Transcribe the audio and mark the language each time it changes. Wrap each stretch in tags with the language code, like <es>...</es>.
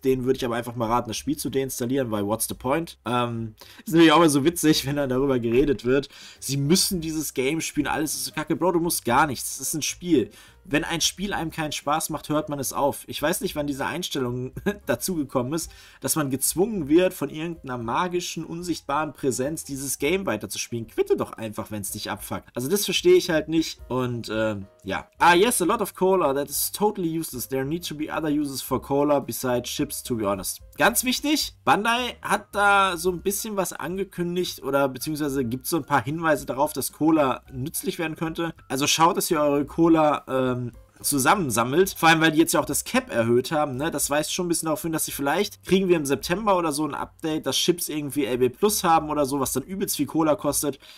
<de>Denen würde ich aber einfach mal raten, das Spiel zu deinstallieren, weil</de> <en>what's the point?</en> <de>Ist natürlich auch immer so witzig, wenn dann darüber geredet wird. Sie müssen dieses Game spielen, alles ist so kacke. Bro, du musst gar nichts, es ist ein Spiel. wenn ein Spiel einem keinen Spaß macht, hört man es auf. Ich weiß nicht, wann diese Einstellung dazugekommen ist, dass man gezwungen wird, von irgendeiner magischen, unsichtbaren Präsenz dieses Game weiterzuspielen. Quitte doch einfach, wenn es dich abfuckt. Also das verstehe ich halt nicht und ja.</de> <en>Ah yes, a lot of cola, that is totally useless. There need to be other uses for cola besides chips, to be honest.</en> <de>Ganz wichtig, Bandai hat da so ein bisschen was angekündigt oder beziehungsweise gibt so ein paar Hinweise darauf, dass Cola nützlich werden könnte. Also schaut, dass ihr eure Cola zusammensammelt. Vor allem, weil die jetzt ja auch das Cap erhöht haben, ne? Das weist schon ein bisschen darauf hin, dass sie vielleicht, kriegen wir im September oder so ein Update, dass Chips irgendwie LB Plus haben oder so, was dann übelst viel Cola kostet.</de>